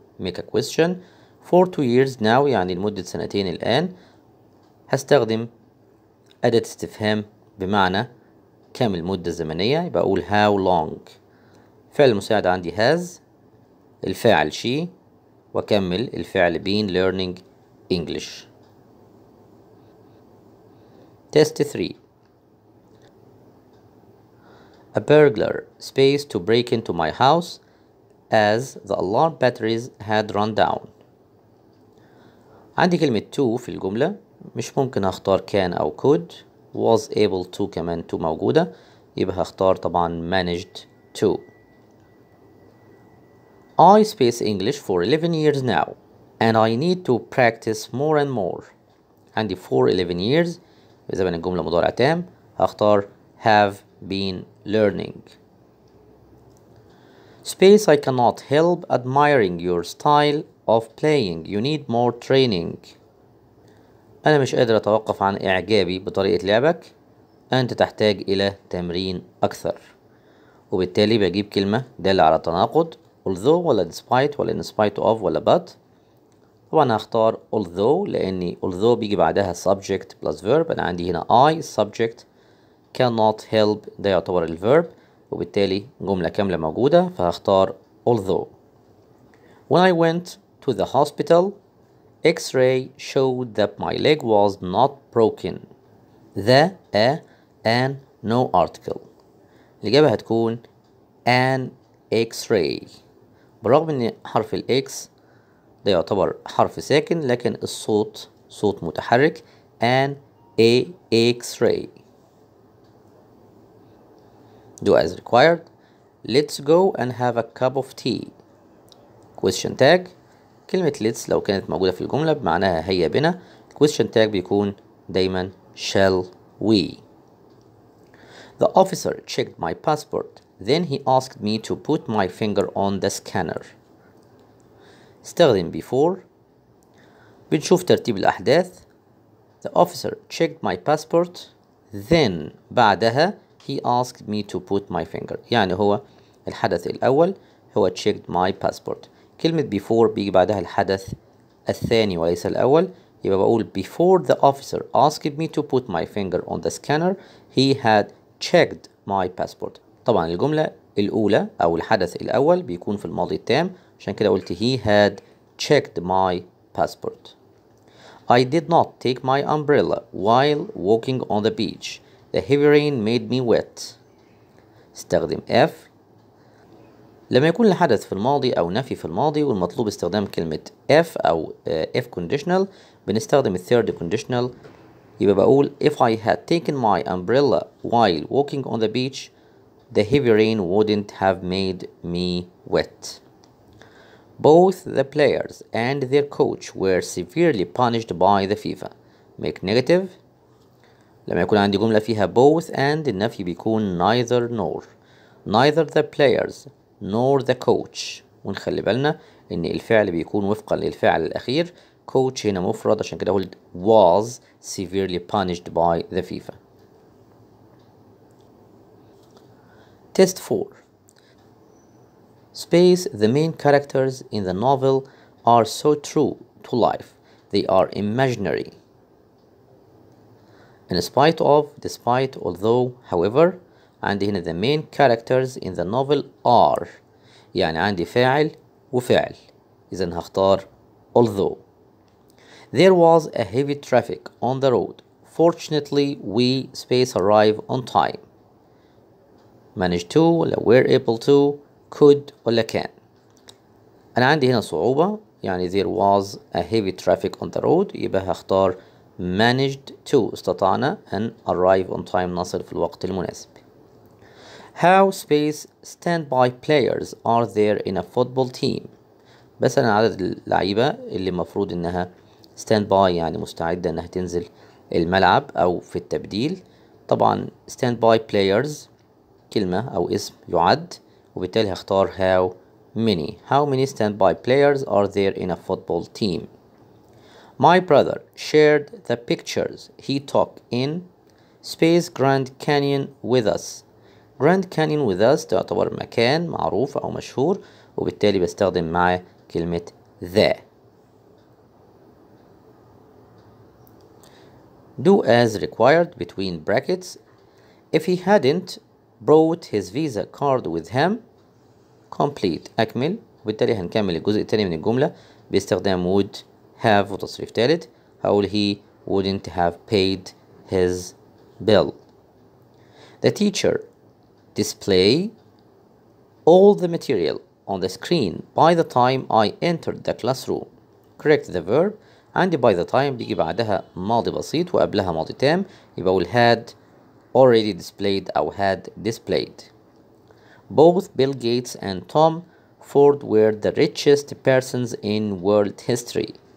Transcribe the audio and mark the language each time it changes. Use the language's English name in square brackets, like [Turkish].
[English] Make a question. For 2 years now, [Arabic] يعني لمدة سنتين الآن. هستخدم أداة استفهام بمعنى كم المدة الزمنية, بقول [English] how long. [Arabic] فعل المساعد عندي has, الفاعل she, وكمل الفعل [English] been learning English. Test 3. A burglar space to break into my house as the alarm batteries had run down. [Arabic] عندي كلمة to في الجملة, مش ممكن اختار can او could. [English] was able to [Arabic] كمان to موجودة, يبقى اختار طبعا [English] managed to. I speak English for 11 years now and I need to practice more and more. [Arabic] عندي for 11 years, بزمن الجملة مضارع تام, اختار [English] have been learning. Space, I cannot help admiring your style of playing. You need more training. [Arabic] أنا مش قادر أتوقف عن إعجابي بطريقة لعبك. أنت تحتاج إلى تمرين أكثر. وبالتالي بجيب كلمة دالة على تناقض. [English] Although ولا despite ولا in spite of ولا but. [Arabic] طبعاً أختار [English] although, لأن although بيجي بعدها subject plus verb. [Arabic] أنا عندي هنا [English] I subject cannot help, [Arabic] ده يعتبر الverb. وبالتالي جملة كاملة موجودة, فهختار although. [English] When I went to the hospital, X-ray showed that my leg was not broken. The, a, an, no article. [Arabic] الإجابة هتكون an X-ray. برغم أن حرف الـ X ده يعتبر حرف ساكن, لكن الصوت صوت متحرك. [English] An X-ray. Do as required. Let's go and have a cup of tea. Question tag. [Arabic] كلمة let's لو كانت موجودة في الجملة بمعناها هيا بنا. [English] Question tag [Arabic] بيكون دايما [English] shall we. The officer checked my passport. Then he asked me to put my finger on the scanner. [Arabic] استخدم before. بنشوف ترتيب الأحداث. [English] The officer checked my passport. then [Arabic] بعدها [English] he asked me to put my finger. [Arabic] يعني هو الحدث الأول هو [English] checked my passport. [Arabic] كلمة before بيجي بعدها الحدث الثاني وليس الأول. يبقى بقول [English] before the officer asked me to put my finger on the scanner, he had checked my passport. [Arabic] طبعا الجملة الأولى أو الحدث الأول بيكون في الماضي التام، عشان كده قلت [English] he had checked my passport. I did not take my umbrella while walking on the beach. The heavy rain made me wet. [Arabic] استخدم F. لما يكون الحدث في الماضي أو نفي في الماضي والمطلوب استخدام كلمة F أو F conditional، بنستخدم third conditional. يبقى بقول [English] if I had taken my umbrella while walking on the beach, the heavy rain wouldn't have made me wet. Both the players and their coach were severely punished by the FIFA. Make negative. [Arabic] لما يكون عندي جملة فيها [English] both and، [Arabic] النفي بيكون [English] neither nor. Neither the players nor the coach. [Arabic] ونخلي بالنا ان الفعل بيكون وفقا للفعل الاخير. [English] Coach [Arabic] هنا مفرد، عشان كده قلت [English] was severely punished by the FIFA. Test 4. Space. The main characters in the novel are so true to life. They are imaginary. In spite of, despite, although, however. [Arabic] عندي هنا [English] the main characters in the novel are. [Arabic] يعني عندي فاعل وفعل. إذن هختار although. [English] There was a heavy traffic on the road. Fortunately, we space arrive on time. Managed to [Arabic] ولا [English] were able to. Could ولا can. [Arabic] أنا عندي هنا صعوبة، يعني [English] there was a heavy traffic on the road، [Arabic] يبقى هختار [English] managed to، [Arabic] استطعنا أن [English] arrive on time، [Arabic] نصل في الوقت المناسب. [English] How space standby players are there in a football team؟ [Arabic] بس أنا عدد اللعيبة اللي مفروض أنها standby، يعني مستعدة أنها تنزل الملعب أو في التبديل. طبعا [English] standby players [Arabic] كلمة أو اسم يعد، وبالتالي هختار [English] how many. How many standby players are there in a football team? My brother shared the pictures he took in space Grand Canyon with us. Grand Canyon with us [Arabic] تعتبر مكان معروف أو مشهور، وبالتالي بستخدم مع كلمة the. [English] Do as required between brackets. If he hadn't brought his visa card with him. Complete. [Arabic] أكمل. وبالتالي هنكمل الجزء الثاني من الجملة باستخدام [English] would have [Arabic] وتصريف ثالث. [English] هقول he wouldn't have paid his bill. The teacher display all the material on the screen by the time I entered the classroom. Correct the verb. [Arabic] عندي [English] by the time [Arabic] بيجي بعدها ماضي بسيط وقبلها ماضي تام. يبقى أقول [English] had already displayed [Arabic] أو [English] had displayed. Both Bill Gates and Tom Ford were the richest persons in world history.